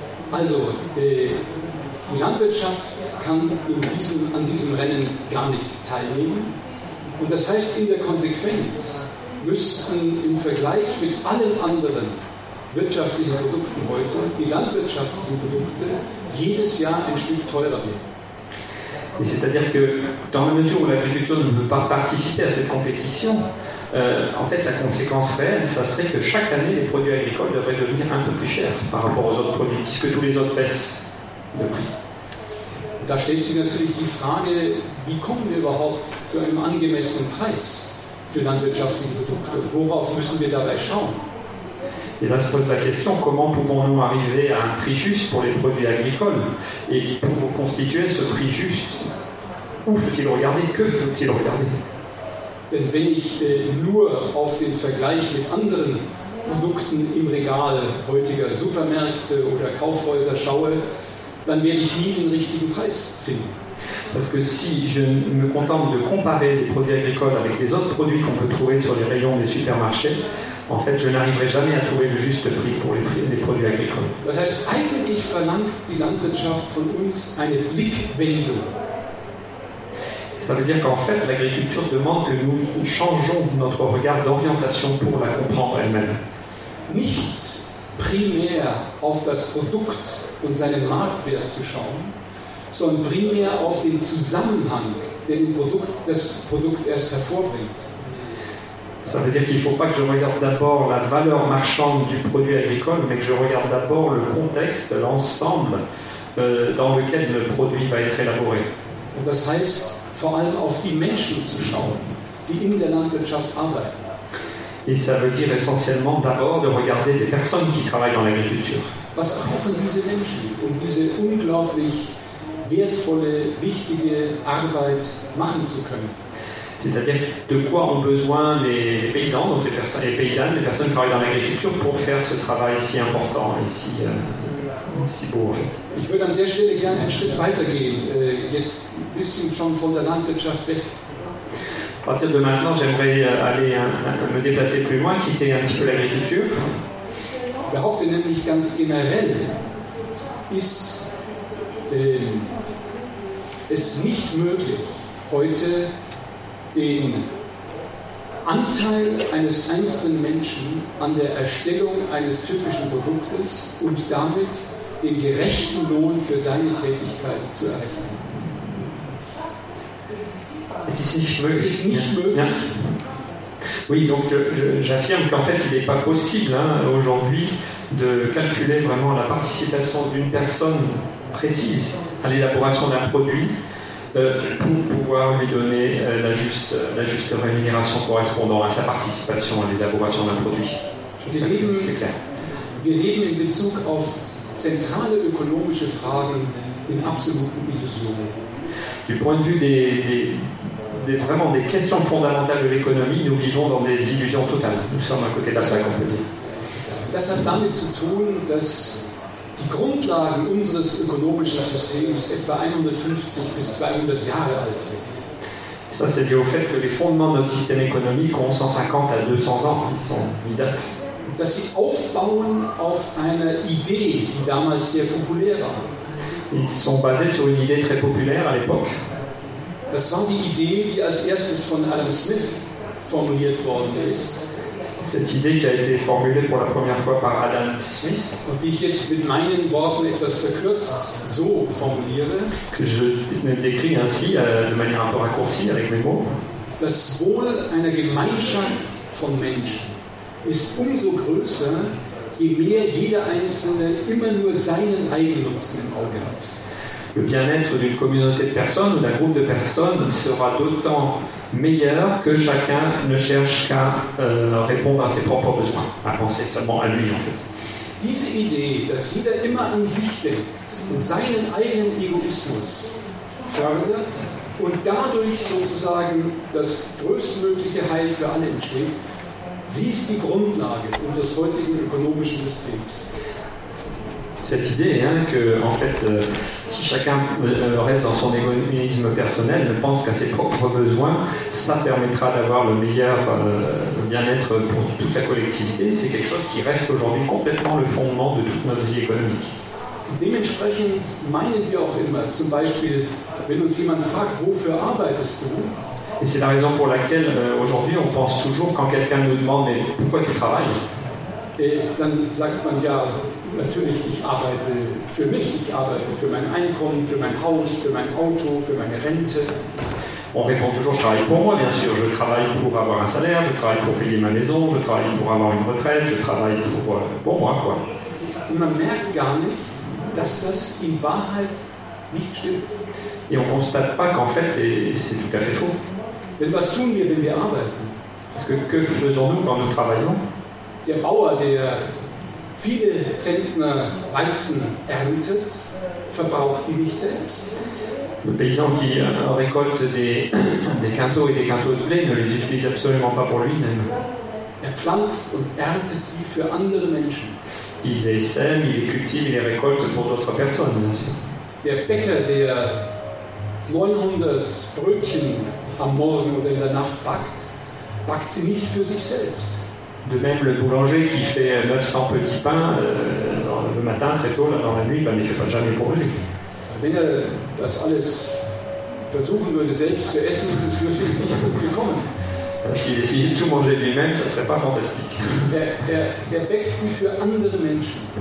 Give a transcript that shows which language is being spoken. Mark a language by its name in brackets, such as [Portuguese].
[German] Also, die Landwirtschaft kann an diesem Rennen gar nicht teilnehmen. Und das heißt, in der Konsequenz müssten im Vergleich mit allen anderen wirtschaftlichen Produkten heute, die landwirtschaftlichen Produkte jedes Jahr ein Stück teurer werden. [French] C'est-à-dire que dans la mesure où l'agriculture ne peut pas participer à cette compétition, en fait la conséquence réelle, ça serait que chaque année les produits agricoles devraient devenir un peu plus chers par rapport aux autres produits, puisque tous les autres baissent de prix. [German] Da stellt sich natürlich die Frage, wie kommen wir überhaupt zu einem angemessenen Preis für landwirtschaftliche Produkte? Worauf müssen wir dabei schauen? [French] Et là se pose la question, comment pouvons-nous arriver à un prix juste pour les produits agricoles? Et pour constituer ce prix juste, où faut-il regarder? Que faut-il regarder? [German] Denn wenn ich nur auf den Vergleich mit anderen Produkten im Regal heutiger Supermärkte oder Kaufhäuser schaue, dann werde ich nie den richtigen Preis finden. [French] Parce que si je me contente de comparer les produits agricoles avec les autres produits qu'on peut trouver sur les rayons des supermarchés, en fait, je n'arriverai jamais à trouver le juste prix pour les produits agricoles. [German] Das heißt, eigentlich verlangt die Landwirtschaft von uns eine Blickwendung. [French] Ça veut dire qu'en fait, l'agriculture demande que nous changeons notre regard d'orientation pour la comprendre elle-même. [German] Nicht primär auf das Produkt und seinen Marktwert zu schauen, sondern primär auf den Zusammenhang, den das Produkt erst hervorbringt. [French] Ça veut dire qu'il ne faut pas que je regarde d'abord la valeur marchande du produit agricole, mais que je regarde d'abord le contexte, l'ensemble dans lequel le produit va être élaboré. [German] Und das heißt, vor allem auf die Menschen zu schauen, die in der Landwirtschaft arbeiten. [French] Et ça veut dire essentiellement d'abord de regarder les personnes qui travaillent dans l'agriculture. [German] Was brauchen diese Menschen, diese unglaublich wertvolle, wichtige Arbeit machen zu können? [French] C'est-à-dire de quoi ont besoin les paysans, donc les paysannes, les personnes qui travaillent dans l'agriculture pour faire ce travail si important et si beau en fait. [German] Ich würde an der Stelle gerne einen Schritt weitergehen, jetzt ein bisschen schon von der Landwirtschaft weg. [French] À partir de maintenant, j'aimerais aller me déplacer plus loin, quitter un petit peu l'agriculture. [German] Ich behaupte nämlich ganz generell, ist es nicht möglich, heute den Anteil eines einzelnen Menschen an der Erstellung eines typischen Produktes und damit den gerechten Lohn für seine Tätigkeit zu erreichen. Es ist nicht möglich. Es ist nicht möglich. Ja. [French] Oui, donc j'affirme qu'en fait, il n'est pas possible hein, aujourd'hui de calculer vraiment la participation d'une personne précise à l'élaboration d'un produit. Pour pouvoir lui donner la juste rémunération correspondant à sa participation à l'élaboration d'un produit. C'est clair. [German] Wir leben in Bezug auf zentrale ökonomische Fragen in absoluten Illusionen. [French] Du point de vue des questions fondamentales de l'économie, nous vivons dans des illusions totales. Nous sommes à côté de la salle, on peut dire. [German] Das hat damit zu tun, dass die die Grundlagen unseres ökologischen Systems etwa 150 bis 200 Jahre alt sind. [French] Ça, c'est lié au fait que les fondements de notre système économique ont 150 à 200 ans, ils sont mi-date. [German] Dass sie aufbauen auf einer Idee, die damals sehr populär war. [French] Ils sont basés sur une idée très populaire à l'époque. [German] Das war die Idee, die als erstes von Adam Smith formuliert worden ist. [French] Cette idée qui a été formulée pour la première fois par Adam Smith. [German] Und die ich jetzt mit meinen Worten etwas verkürzt so formuliere. [French] Que je décris ainsi, de manière un peu raccourcie avec mes mots. [German] Das Wohl einer Gemeinschaft von Menschen ist umso größer, je mehr jeder Einzelne immer nur seinen eigenen Nutzen im Auge hat. [French] Le bien-être d'une communauté de personnes ou d'un groupe de personnes sera d'autant meilleur que chacun ne cherche qu'à répondre à ses propres besoins, à penser seulement à lui en fait. [German] Diese Idee, dass jeder immer an sich denkt und seinen eigenen Egoismus fördert und dadurch sozusagen das größtmögliche Heil für alle entsteht, sie ist die Grundlage unseres heutigen ökonomischen Systems. [French] Cette idée, hein, que en fait, si chacun reste dans son égoïsme personnel, ne pense qu'à ses propres besoins, ça permettra d'avoir le meilleur bien-être pour toute la collectivité. C'est quelque chose qui reste aujourd'hui complètement le fondement de toute notre vie économique. [German] Dementsprechend meinen wir auch immer, zum Beispiel, wenn uns jemand fragt, wofür arbeitest du? [French] Et c'est la raison pour laquelle aujourd'hui on pense toujours quand quelqu'un nous demande mais pourquoi tu travailles? Et [German] dann sagt man ja. Natürlich, ich arbeite für mich, ich arbeite für mein Einkommen, für mein Haus, für mein Auto, für meine Rente. [French] On répond toujours, je travaille pour moi, bien sûr. Je travaille pour avoir un salaire, je travaille pour payer ma maison, je travaille pour avoir une retraite, je travaille pour moi, quoi. [German] Und man merkt gar nicht, dass das in Wahrheit nicht stimmt. [French] Et on constate pas qu'en fait, c'est tout à fait faux. [German] Denn was tun wir, wenn wir arbeiten? [French] Parce que faisons-nous quand nous travaillons? [German] Der Bauer, der viele Zentner Weizen erntet, verbraucht die nicht selbst. [French] Le paysan qui récolte des quintaux et des quintaux de blé ne les utilise absolument pas pour lui-même. [German] Er pflanzt und erntet sie für andere Menschen. [French] Il les sème, il les cultive, il les récolte pour d'autres personnes, bien sûr. [German] Der Bäcker, der 900 Brötchen am Morgen oder in der Nacht backt, backt sie nicht für sich selbst. [French] De même, le boulanger qui fait 900 petits pains le matin, très tôt, dans la nuit, ben, il ne fait pas jamais pour lui. [German] Wenn er das alles versuchen würde, selbst zu essen, würde es nicht gut gekommen. [French] S'il essayait de tout manger lui-même, ça ne serait pas fantastique. [German] Er bäckt sie für andere Menschen.